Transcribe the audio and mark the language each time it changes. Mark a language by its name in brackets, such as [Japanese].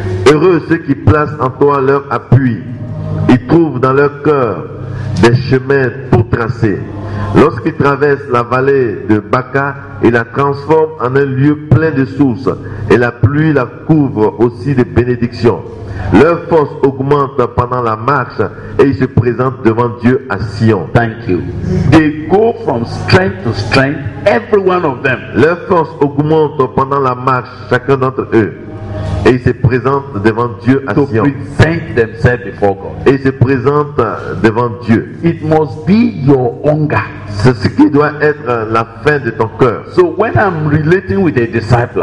[French] Heureux ceux qui placent en toi leur appui, ils trouvent dans leur cœur des chemins pour tracer. Lorsqu'ils traversent la vallée de Baca, ils la transforment en un lieu plein de sources et la pluie la couvre aussi de bénédictions. Leur force augmente pendant la marche et ils se présentent devant Dieu à Sion. [English] Thank you. They go from strength to strength, every one of them. [French] Leur force augmente pendant la marche, chacun d'entre eux. Et ils se présentent devant Dieu à [English] to [French] Sion. [English] Present themselves before God. [French] Et ils se présentent devant Dieu. [English] It must be your hunger. [French] C'est ce qui doit être la fin de ton cœur. [English] So when I'm relating with a disciple,